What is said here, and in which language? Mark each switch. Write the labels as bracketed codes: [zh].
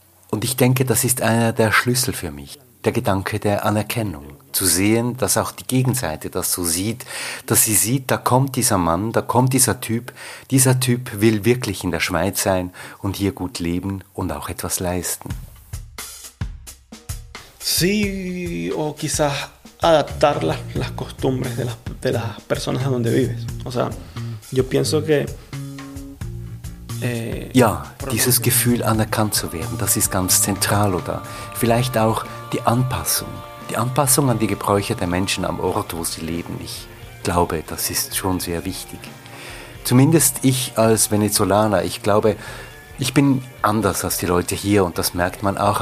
[de] Und ich denke, das ist einer der Schlüssel für mich. Der Gedanke der Anerkennung, zu sehen, dass auch die Gegenseite das so sieht, dass sie sieht, da kommt dieser Mann, da kommt dieser Typ will wirklich in der Schweiz sein und hier gut leben und auch etwas leisten. [es] Sí, o quizás adaptar las costumbres de las personas a donde vives. O sea, yo pienso que [de] ja, dieses Gefühl, anerkannt zu werden, das ist ganz zentral, oder vielleicht auch Die Anpassung an die Gebräuche der Menschen am Ort, wo sie leben. Ich glaube, das ist schon sehr wichtig. Zumindest ich als Venezolaner, ich glaube, ich bin anders als die Leute hier, und das merkt man auch.